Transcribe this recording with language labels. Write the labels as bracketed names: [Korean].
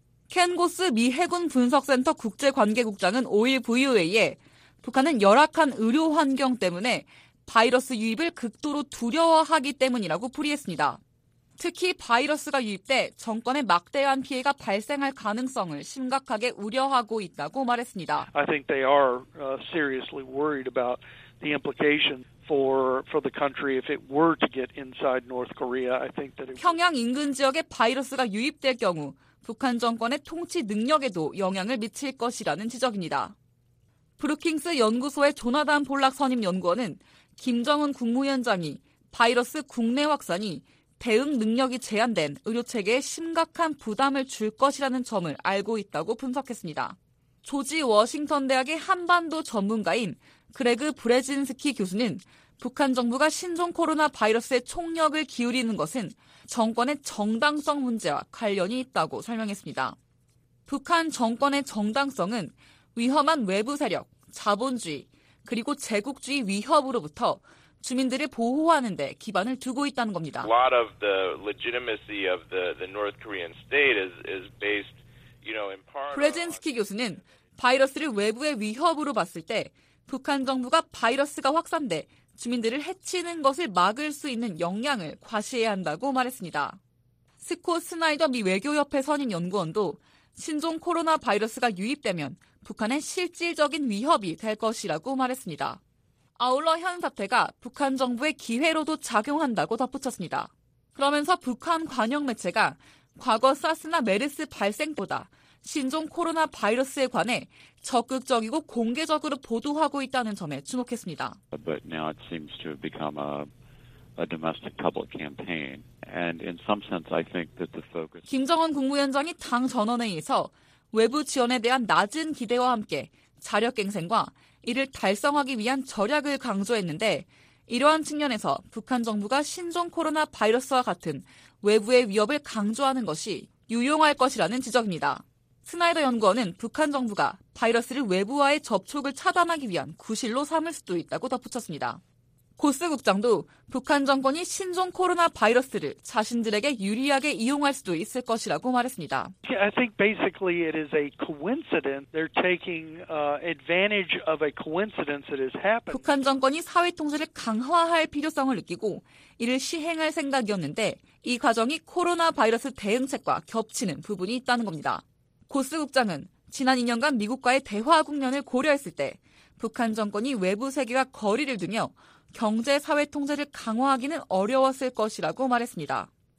[Korean] 켄 고스 미 해군 분석센터 국제관계국장은 5일 VOA에 북한은 열악한 의료 환경 때문에 바이러스 유입을 극도로 두려워하기 때문이라고 풀이했습니다. 특히 바이러스가 유입돼 정권에 막대한 피해가 발생할 가능성을 심각하게 우려하고 있다고 말했습니다. [English] I think they are seriously worried about the implication for the country if it were to get inside North Korea. I think that [Korean] 평양 인근 지역에 바이러스가 유입될 경우 북한 정권의 통치 능력에도 영향을 미칠 것이라는 지적입니다. 브루킹스 연구소의 조나단 폴락 선임 연구원은 김정은 국무위원장이 바이러스 국내 확산이 대응 능력이 제한된 의료체계에 심각한 부담을 줄 것이라는 점을 알고 있다고 분석했습니다. 조지 워싱턴 대학의 한반도 전문가인 그레그 브레진스키 교수는 북한 정부가 신종 코로나 바이러스에 총력을 기울이는 것은 정권의 정당성 문제와 관련이 있다고 설명했습니다. 북한 정권의 정당성은 위험한 외부 세력, 자본주의, 그리고 제국주의 위협으로부터 주민들을 보호하는 데 기반을 두고 있다는 겁니다. [English] A lot of the legitimacy of the North Korean state is based, you know, in part. [Korean] 브레진스키 교수는 바이러스를 외부의 위협으로 봤을 때 북한 정부가 바이러스가 확산돼 주민들을 해치는 것을 막을 수 있는 역량을 과시해야 한다고 말했습니다. 스콧 스나이더 미 외교협회 선임 연구원도 신종 코로나 바이러스가 유입되면 북한의 실질적인 위협이 될 것이라고 말했습니다. 아울러 현 사태가 북한 정부의 기회로도 작용한다고 덧붙였습니다. 그러면서 북한 관영 매체가 과거 사스나 메르스 발생보다 신종 코로나 바이러스에 관해 적극적이고 공개적으로 보도하고 있다는 점에 주목했습니다. [English] But now it seems to have become a domestic public campaign. And in some sense, I think that the focus. [Korean] 김정은 국무위원장이 당 전원회의에서 외부 지원에 대한 낮은 기대와 함께 자력갱생과 이를 달성하기 위한 절약을 강조했는데 이러한 측면에서 북한 정부가 신종 코로나 바이러스와 같은 외부의 위협을 강조하는 것이 유용할 것이라는 지적입니다. 스나이더 연구원은 북한 정부가 바이러스를 외부와의 접촉을 차단하기 위한 구실로 삼을 수도 있다고 덧붙였습니다. 고스 국장도 북한 정권이 신종 코로나 바이러스를 자신들에게 유리하게 이용할 수도 있을 것이라고 말했습니다. [English] I think basically it is a coincidence. They're taking advantage of a coincidence that has happened. [Korean] 북한 정권이 사회 통제를 강화할 필요성을 느끼고 이를 시행할 생각이었는데 이 과정이 코로나 바이러스 대응책과 겹치는 부분이 있다는 겁니다. 고스 국장은 지난 2년간 미국과의 대화 국면을 고려했을 때 북한 정권이 외부 세계와 거리를 두며 경제 사회 통제를 강화하기는 어려웠을 것이라고 말했습니다.